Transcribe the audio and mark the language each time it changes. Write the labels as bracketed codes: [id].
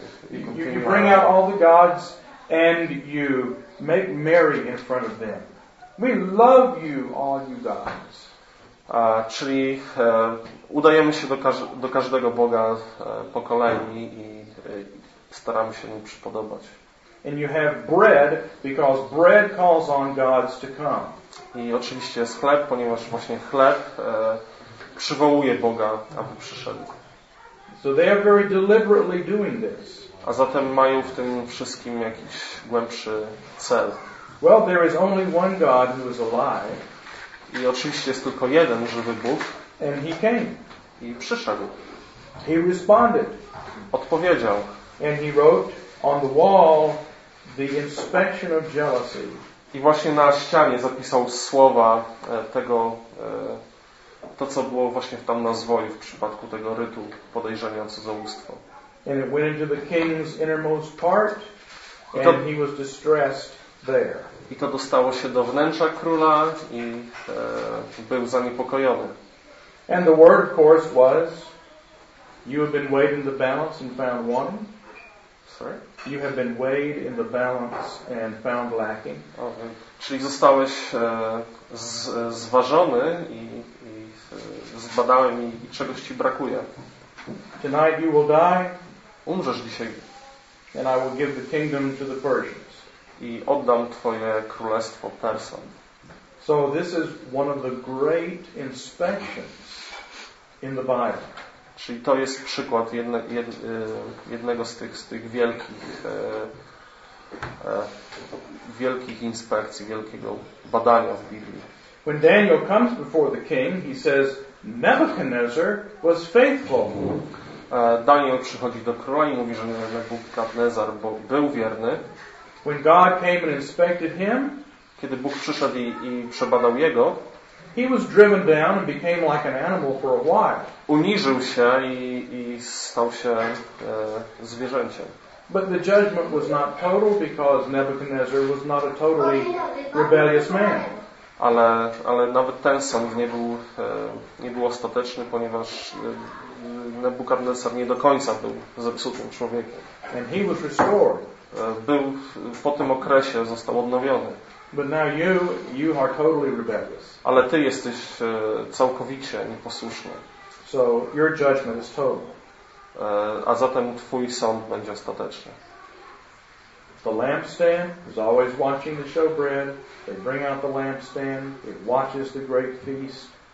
[en] You bring out all the gods and you make merry in front of them. We love you, all you gods. [pl] Czyli udajemy się do każdego boga po kolei i staramy się mu przypodobać. [en] And you have bread because bread calls on gods to come. [pl] I oczywiście jest chleb, ponieważ właśnie chleb przywołuje Boga, aby przyszedł. [en] So they are very deliberately doing this. [pl] A zatem mają w tym wszystkim jakiś głębszy cel. [en] Well, there is only one God who is alive. [pl] I oczywiście jest tylko jeden żywy Bóg. [en] And he came. [pl] I przyszedł. [en] He responded. [pl] Odpowiedział. [en] And he wrote on the wall the inspection of jealousy. [pl] I właśnie na ścianie zapisał słowa tego, to co było właśnie tam na zwoju w przypadku tego rytu podejrzenia cudzołóstwa. [en] And it went into the king's innermost part, and he was distressed there. [pl] I to dostało się do wnętrza króla i był zaniepokojony. [en] And the word, of course, was, you have been weighing the balance and found wanting. You have been weighed in the balance and found lacking. [pl] Czyli zostałeś zważony i zbadałem i czegoś ci brakuje. [en] Tonight you will die. [pl] Umrzesz dzisiaj. [en] And I will give the kingdom to the Persians. [pl] I oddam twoje królestwo Persom. [en] So this is one of the great inspections in the Bible. [pl] Czyli to jest przykład jednego z tych wielkich wielkich inspekcji, wielkiego badania w Biblii. [en] When Daniel comes before the king, he says, Nebuchadnezzar was faithful. [pl] Daniel przychodzi do króla i mówi, że Nebuchadnezzar był wierny. [en] When God came and inspected him, [pl] kiedy Bóg przyszedł i przebadał jego, [en] he was driven down and became like an animal for a while. [pl] Uniżył się i stał się zwierzęciem. [en] But the judgment was not total because Nebuchadnezzar was not a totally rebellious man. [pl] Ale nawet ten sąd nie był ostateczny, ponieważ Nebuchadnezzar nie do końca był zepsutym człowiekiem. [en] And he was restored. [pl] Był po tym okresie, został odnowiony. [en] But now you are totally rebellious. [pl] Ale ty jesteś całkowicie nieposłuszny. [en] So your judgment is total. [pl] A zatem twój sąd będzie ostateczny. [en] The lampstand is always watching the showbread. They bring out the lampstand. It watches the great feast.